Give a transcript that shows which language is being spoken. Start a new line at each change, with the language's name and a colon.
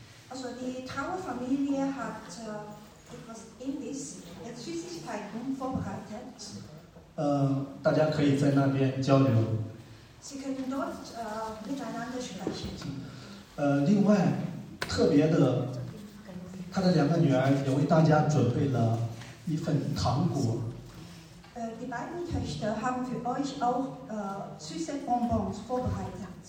German: Also die Trauerfamilie hat etwas Indies, Süßigkeiten vorbereitet.
Chinese: 大家可以在那边交流。
German: Sie können dort miteinander sprechen.
Chinese: 另外，特别的。他的两个女儿也为大家准备了一份糖果。
German: Die beiden Töchter haben für euch auch süße Bonbons vorbereitet.